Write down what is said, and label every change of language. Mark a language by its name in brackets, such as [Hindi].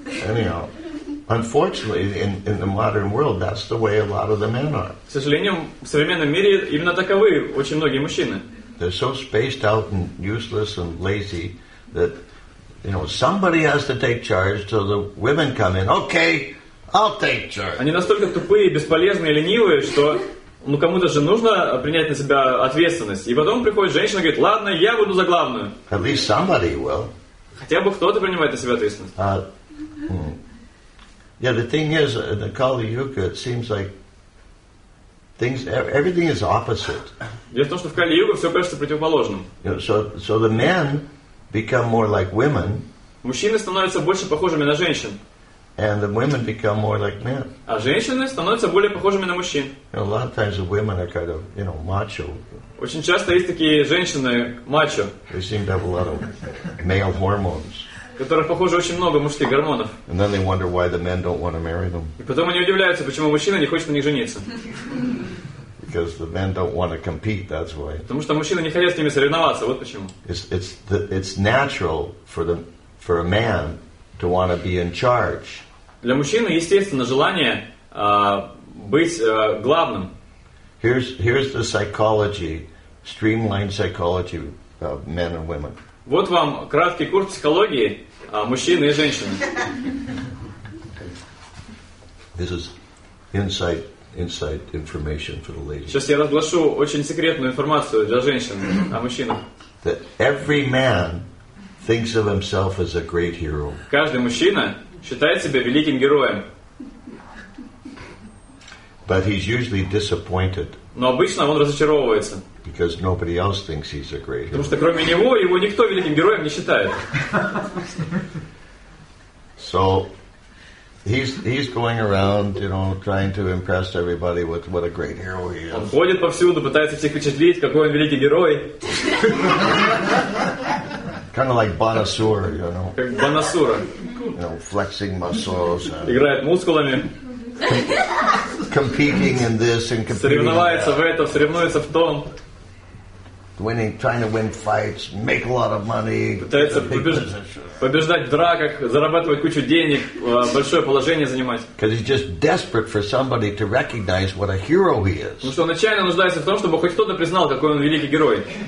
[English] Anyhow, unfortunately, in the modern world, that's the way a lot of the men are. [Russian] К сожалению, в современном мире именно таковы очень многие мужчины. [English] They're so spaced out and useless and lazy that, you know, somebody has to take charge till the women come in. Okay, I'll take charge. [Russian] Они настолько тупые, бесполезные, ленивые, что ну кому-то же нужно принять на себя ответственность. И потом приходит женщина и говорит: ладно, я буду за главную. [English] At least somebody will. [Russian] Хотя бы кто-то принимает на себя ответственность. [English] Yeah, the thing is, in the Kali Yuga, it seems like things, everything is opposite. [Russian] Дело в том, что в Кали Юге все кажется противоположным. [English] So the men become more like women. [Russian] Мужчины становятся больше похожими на женщин. [English] And the women become more like men. [Russian] А женщины становятся более похожими на мужчин. [English] You know, a lot of times the women are kind of, you know, macho. [Russian] Очень часто есть такие женщины мачо. [English] They seem to have a lot of male hormones. [Russian] Которых, похоже, очень много мужских гормонов. [English] And then they wonder why the men don't want to marry them. [Russian] И потом они удивляются, почему мужчина не хочет на них жениться. [English] Because the men don't want to compete, that's why. [Russian] Потому что мужчины не хотят с ними соревноваться, вот почему. [English] It's natural for a man to want to be in charge. [Russian] Для мужчины естественно желание быть главным. [English] Here's the psychology, streamlined psychology of men and women. [Russian] Вот вам краткий курс психологии мужчины и женщины. [English] This is inside information for the ladies. [Russian] Сейчас я разглашу очень секретную информацию для женщин о мужчинах. [English] That every man thinks of himself as a great hero. [Russian] Каждый мужчина считает себя великим героем. [English] But he's usually disappointed. [Russian] Но обычно он разочаровывается. [English] Because nobody else thinks he's a great hero. [Russian] Потому что кроме него его никто великим героем не считает. [English] So he's going around, you know, trying to impress everybody with what a great hero he is. [Russian] Он ходит повсюду, пытается всех впечатлить, какой он великий герой. [English] Kind of like Bonasur, you know. [Russian] Как Бонасура. [English] You know, flexing muscles. [Russian] Играет мускулами. [English] Competing in this and competing. [Russian] Соревновается в этом, соревнуется в том. [English] Winning, trying to win fights, make a lot of money. [Russian] Пытается побеждать в драках, зарабатывать кучу денег, большое положение занимать. [English] Because he's just desperate for somebody to recognize what a hero he is. [Russian] Потому что он отчаянно нуждается в том, чтобы хоть кто-то признал, какой он великий герой.